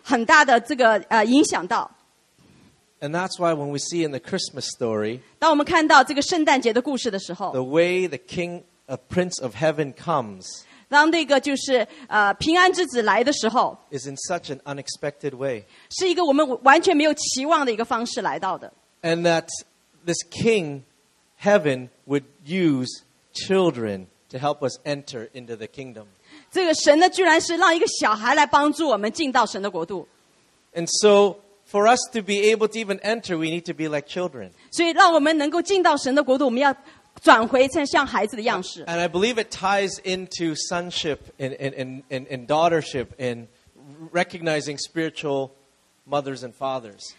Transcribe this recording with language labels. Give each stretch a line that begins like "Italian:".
Chinese: 那个国度呢，不是让你感觉好像被感觉被惧怕，或者说感觉被很大的这个影响到。
English: And that's why when we see in the Christmas story,
Chinese: 当我们看到这个圣诞节的故事的时候，
English: the way the king, a prince of heaven comes,
Chinese: 当那个就是平安之子来的时候，
English: is in such an unexpected way,
Chinese: 是一个我们完全没有期望的一个方式来到的。
English: And that this king, heaven, would use children to help us enter into the kingdom.
Chinese: 这个神呢，居然是让一个小孩来帮助我们进到神的国度。
English: And so, for us to be able to even enter, we need to be like children.
Chinese: 所以让我们能够进到神的国度，我们要转回成像孩子的样式。
English: And I believe it ties into sonship and daughtership and recognizing spiritual mothers and fathers.